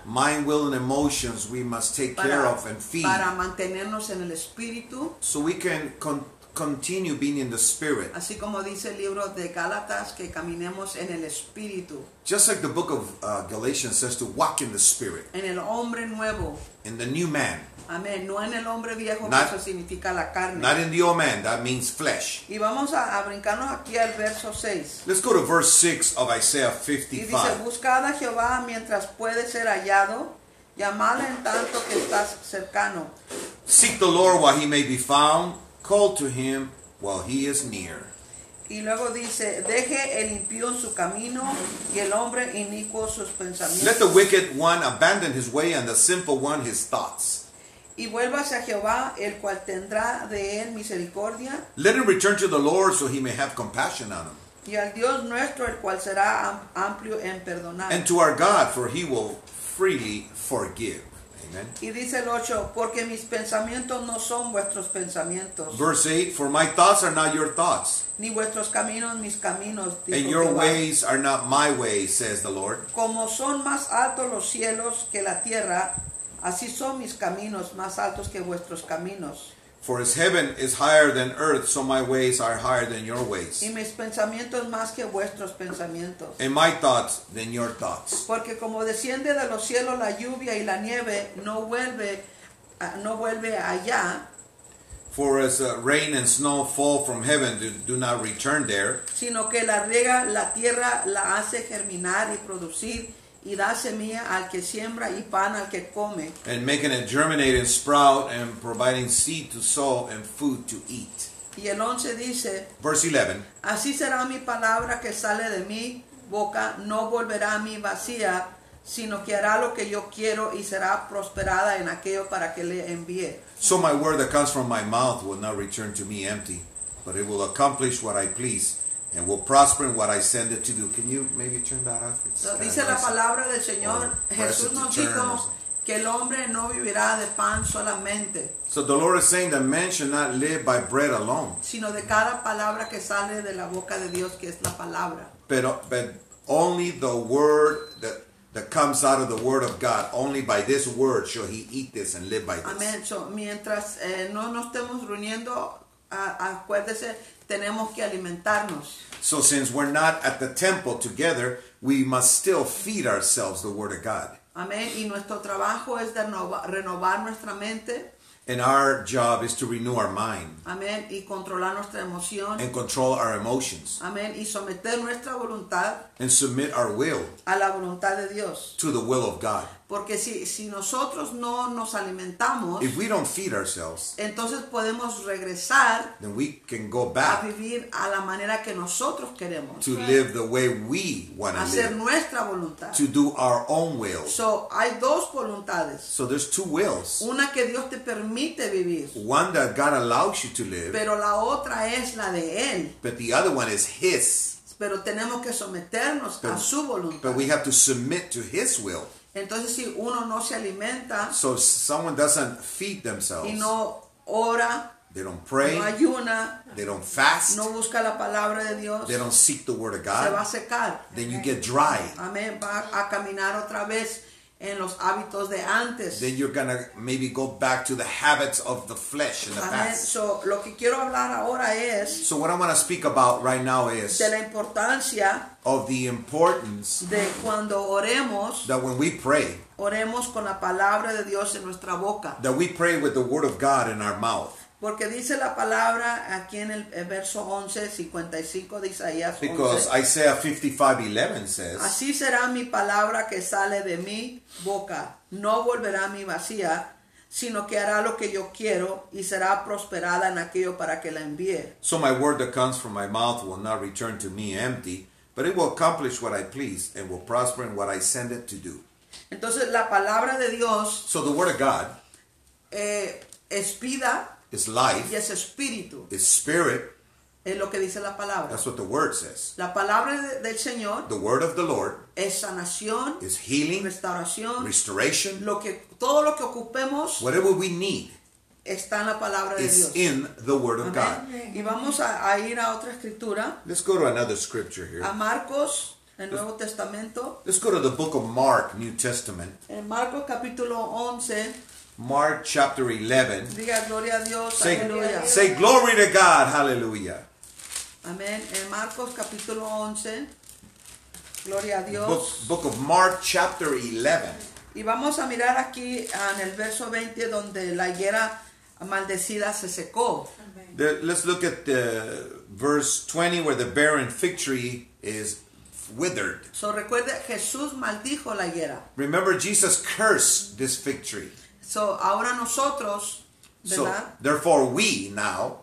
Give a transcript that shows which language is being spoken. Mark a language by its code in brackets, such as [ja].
[en] Mind, will, and emotions we must take care of and feed. [es] Para mantenernos en el espíritu. [en] So we can continue being in the spirit. [es] Así como dice el libro de Gálatas, que caminemos en el espíritu. [en] Just like the book of Galatians says to walk in the spirit. [es] En el hombre nuevo. [en] In the new man. [es] Amén. No en el hombre viejo, [en] not, [es] eso significa la carne. [en] Not in the old man, that means flesh. [es] Y vamos a brincarnos aquí al verso 6. [en] Let's go to verse 6 of Isaiah 55. [es] Y dice, buscad a Jehová mientras puede ser hallado, llamadle en tanto que estás cercano. [en] Seek the Lord while he may be found, call to him while he is near. [es] Y luego dice, deje el impío su camino y el hombre inicuo sus pensamientos. [en] Let the wicked one abandon his way and the sinful one his thoughts. [es] Y vuélvase a Jehová, el cual tendrá de él misericordia. [en] Let him return to the Lord, so he may have compassion on him. [es] Y al Dios nuestro, el cual será amplio en perdonar. [en] And to our God, for he will freely forgive. Amen. [es] Y dice el 8, porque mis pensamientos no son vuestros pensamientos. [en] Verse 8, for my thoughts are not your thoughts. [es] Ni vuestros caminos, mis caminos, dijo Jehová. [en] And your ways are not my ways, says the Lord. [es] Como son más altos los cielos que la tierra, así son mis caminos más altos que vuestros caminos. [en] For as heaven is higher than earth, so my ways are higher than your ways. [es] Y mis pensamientos más que vuestros pensamientos. [en] And my thoughts than your thoughts. [es] Porque como desciende de los cielos la lluvia y la nieve, no vuelve allá. [en] For as rain and snow fall from heaven, do not return there. [es] Sino que la riega la tierra, la hace germinar y producir. Y da semilla al que siembra y pan al que come. [en] And making it germinate and sprout and providing seed to sow and food to eat. [es] Y el 11 dice. [en] Verse 11. [es] Así será mi palabra que sale de mi boca, no volverá a mí vacía, sino que hará lo que yo quiero y será prosperada en aquello para que le envíe. [en] So my word that comes from my mouth will not return to me empty, but it will accomplish what I please and will prosper in what I send it to do. Can you maybe turn that off? [es] Dice la palabra del Señor, Jesús nos dijo que el hombre no vivirá de pan solamente. [en] So the Lord is saying that man should not live by bread alone, [es] sino de cada palabra que sale de la boca de Dios, que es la palabra. [en] But only the word that comes out of the word of God, only by this word shall he eat this and live by this. Amen. [es] So mientras no nos estemos reuniendo, acuérdese, tenemos que alimentarnos. [en] So since we're not at the temple together, we must still feed ourselves the word of God. Amen. [es] Y nuestro trabajo es de renovar nuestra mente. [en] And our job is to renew our mind. [es] Amen. Y controlar nuestra emoción. [en] And control our emotions. [es] Amen. Y someter nuestra voluntad. [en] And submit our will. [es] A la voluntad de Dios. [en] To the will of God. [es] Porque si nosotros no nos alimentamos, [en] if we don't feed ourselves, [es] entonces podemos regresar, [en] then we can go back, [es] a vivir a la manera que nosotros queremos, [en] to live the way we want to live, [es] hacer nuestra voluntad, [en] to do our own will. [es] So hay dos voluntades. [en] So there's two wills. [es] Una que Dios te permite vivir. [en] One that God allows you to live. [es] Pero la otra es la de Él. [en] But the other one is His. [es] Pero tenemos que someternos a su voluntad. [en] But we have to submit to His will. [es] Entonces, si uno no se alimenta, [en] so if someone doesn't feed themselves, [es] y no ora, [en] they don't pray, [es] no ayuna, [en] they don't fast, [es] no busca la palabra de Dios, [en] they don't seek the word of God, [es] se va a secar. [en] Then okay. You get dry. Amen. [es] Va a caminar otra vez en los hábitos de antes. [en] Then you're gonna maybe go back to the habits of the flesh and the amen. Past. [es] So lo que quiero hablar ahora es, [en] so what I want to speak about right now is, [es] de la importancia, [en] of the importance, [es] de cuando oremos, [en] that when we pray, [es] oremos con la palabra de Dios en nuestra boca, [en] that we pray with the word of God in our mouth. [es] Porque dice la palabra aquí en el verso 11, 55 de Isaías 11. [en] Because Isaiah 55, 11 says, [es] así será mi palabra que sale de mi boca, no volverá a mi vacía, sino que hará lo que yo quiero y será prosperada en aquello para que la envíe. [en] So my word that comes from my mouth will not return to me empty, but it will accomplish what I please and will prosper in what I send it to do. [es] Entonces la palabra de Dios, [en] so the word of God, [es] es vida. [en] Is life. [es] Y es espíritu. [en] Is spirit. [es] Es lo que dice la palabra. [en] That's what the word says. [es] La palabra del Señor. [en] The word of the Lord. [es] Es sanación. [en] Is healing. [es] Restauración. [en] Restoration. [es] Lo que, todo lo que ocupemos. [en] Whatever we need. [es] Está en la palabra de Dios. [en] in the word of amen. God. [es] Y vamos a ir a otra escritura. [en] Let's go to another scripture here. [es] A Marcos, el Nuevo Testamento. [en] Let's go to the book of Mark, New Testament. [es] En Marcos capítulo 11. [en] Mark chapter 11. [es] Diga gloria a Dios. [en] Say, hallelujah. Say glory to God. Hallelujah. [es] Amen. En Marcos capítulo 11. Gloria a Dios. [en] Book of Mark chapter 11. [es] Y vamos a mirar aquí en el verso 20 donde la higuera maldecida se secó. [en] Let's look at the verse 20 where the barren fig tree is withered. [es] So recuerde, Jesús maldijo la higuera. [en] Remember, Jesus cursed this fig tree. [es] So ahora nosotros, [en] so, therefore we now,